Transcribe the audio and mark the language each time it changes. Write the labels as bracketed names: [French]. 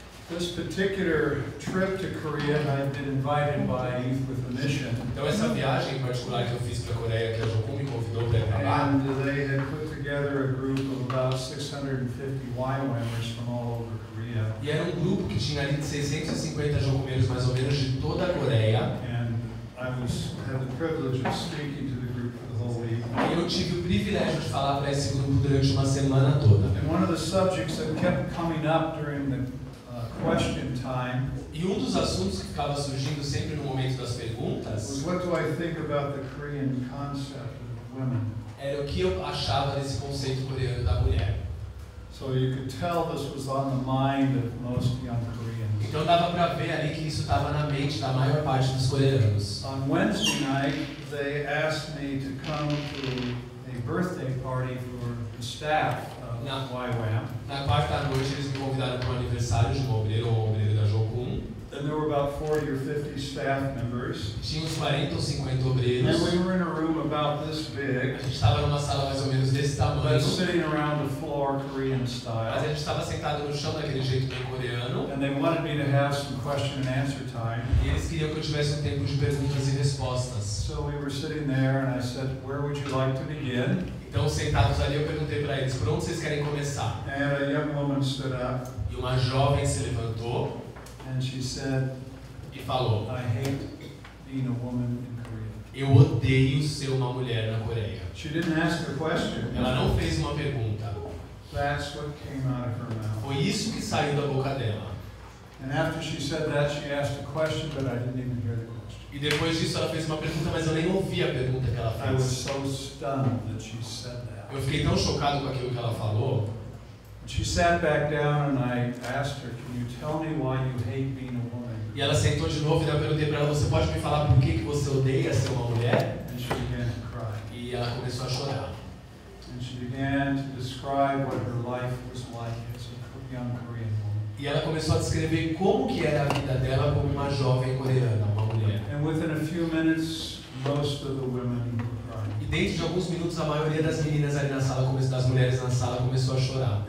[English] This particular trip to Korea, I've been invited by Youth with a Mission. [Portuguese] Então essa viagem em particular que eu fiz para a Coreia, que a Jocum me convidou para ir para lá. [English] And they had put together a group of about 650 YWAMers from all over Korea. [Portuguese] E era um grupo que tinha ali 650 Jocumeiros mais ou menos de toda a Coreia. [English] And I was had the privilege of speaking to the group. [Portuguese] E eu tive o privilégio de falar para esse grupo durante uma semana toda. [English] And one of the subjects that kept coming up during the question time. [Portuguese] E um dos assuntos que ficava surgindo sempre no momento das perguntas. [English] Was what do I think about the Korean concept of women? [Portuguese] Era o que eu achava desse conceito coreano da mulher. [English] So you could tell this was on the mind of most young Koreans. [Portuguese] Então dava para ver ali que isso estava na mente da maior parte dos coreanos. [English] On Wednesday night, they asked me to come to a birthday party for the staff of YWAM. [Portuguese] Na quarta-noite, eles me convidaram para o aniversário de um obreiro ou obreira da Jocum. [English] And there were about 40 or 50 staff members. [Portuguese] Tinha uns 40 ou 50 obreiros. [English] And we were in a room about this big. [Portuguese] A gente estava numa sala mais ou menos desse tamanho. [English] But sitting around the floor, Korean style. [Portuguese] Mas a gente estava sentado no chão daquele jeito bem coreano. [English] And they wanted me to have some question and answer time. [Portuguese] E eles queriam que eu tivesse um tempo de perguntas e respostas. [English] So we were sitting there, and I said, "Where would you like to begin?" [Portuguese] Então sentados ali, eu perguntei para eles, "Por onde vocês querem começar?" [English] And a young woman stood up. [Portuguese] E uma jovem se levantou. [English] And she said, [Portuguese] e falou, [English] "I hate being a woman in Korea." [Portuguese] Eu odeio ser uma mulher na Coreia. [English] She didn't ask a question. [Portuguese] Ela não fez uma pergunta. [English] That's what came out of her mouth. [Portuguese] Foi isso que saiu da boca dela. [English] And after she said that, she asked a question, but I didn't even hear the question. [Portuguese] E depois disso ela fez uma pergunta, mas eu nem ouvi a pergunta que ela fez. [English] I was so stunned that she said that. [Portuguese] Eu fiquei tão chocado com aquilo que ela falou. [English] She sat back down and I asked her, "Can you tell me why you hate being a woman?" [Portuguese] E ela sentou de novo e eu perguntei para ela, "Você pode me falar por que você odeia ser uma mulher?" [English] And she began to cry. [Portuguese] E ela começou a chorar. [English] And she began to describe what her life was like as a young Korean woman. [Portuguese] E ela começou a descrever como que era a vida dela como uma jovem coreana, uma mulher. [English] And within a few minutes, most of the women were crying. [Portuguese] E dentro de alguns minutos, a maioria das meninas ali na sala, das mulheres na sala, começou a chorar.